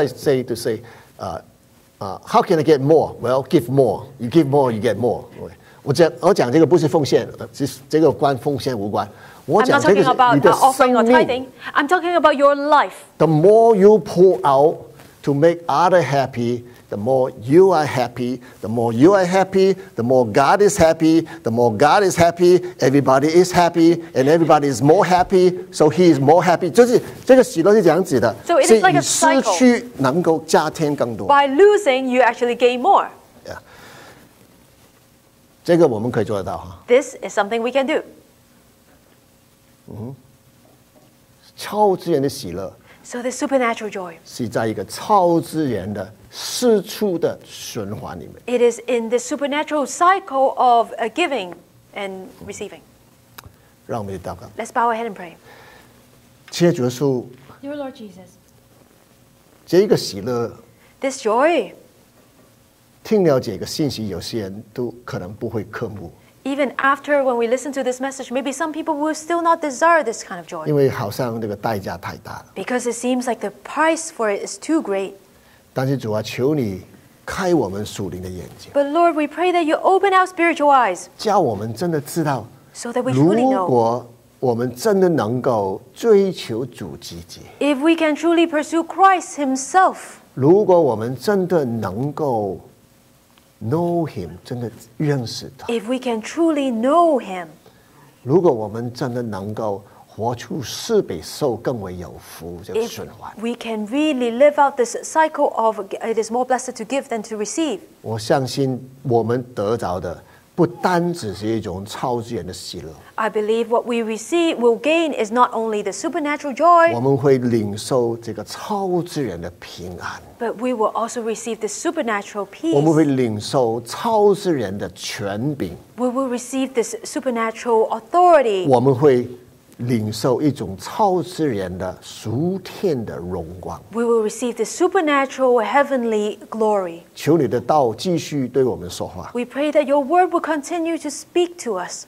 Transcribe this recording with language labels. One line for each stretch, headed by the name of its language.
English: It's like saying to say, how can I get more? Well, give more. You give more, you get more.
Chinese: 我讲这个不是奉献，这个关奉献无关。我讲这个是你的生命。
English: I'm talking about your life. The more you pour out to make others happy,The more you are happy, the more you are happy, the more God is happy, the more God is happy, everybody is happy, and everybody is more happy, so he is more happy.
Chinese: 就是这个喜乐是这样子的。
English: So it is like a cycle.
Chinese: 是以失去能够加添更多。
English: By losing, you actually gain more. Yeah.
Chinese: 这个我们可以做得到。
English: This is something we can do.
Chinese: 超自然的喜乐。
English: So the supernatural joy.
Chinese: 是在一个超自然的施出的循环里面。
English: It is in the supernatural cycle of giving and receiving.
Chinese: 让我们祷告。
English: Let's bow our head and pray.
Chinese: 亲爱的主耶稣。
English: Dear Lord Jesus.
Chinese: 这个喜乐。
English: This joy.
Chinese: 听了解一个信息，有些人都可能不会渴慕。
English: Even after when we listen to this message, maybe some people will still not desire this kind of joy.
Chinese: 因为好像这个代价太大了。
English: Because it seems like the price for it is too great.
Chinese: 但是主啊，求你开我们属灵的眼睛。
English: But Lord, we pray that you open our spiritual eyes.
Chinese: 叫我们真的知道。
English: So that we truly know.
Chinese: 如果我们真的能够追求主自己。
English: If we can truly pursue Christ Himself.
Chinese: 如果我们真的能够
English: know Him,
Chinese: 真的认识他。
English: If we can truly know Him.
Chinese: 如果我们真的能够活出施比受更为有福这个循环。
English: We can really live out this cycle of it is more blessed to give than to receive.
Chinese: 我相信我们得着的不单只是一种超自然的喜乐。
English: I believe what we receive will gain is not only the supernatural joy.
Chinese: 我们会领受这个超自然的平安。
English: But we will also receive the supernatural peace.
Chinese: 我们会领受超自然的权柄。
English: We will receive this supernatural authority.
Chinese: 我们会领受一种超自然的属天的荣光。
English: We will receive the supernatural heavenly glory.
Chinese: 求你的道继续对我们说话。
English: We pray that your word will continue to speak to us.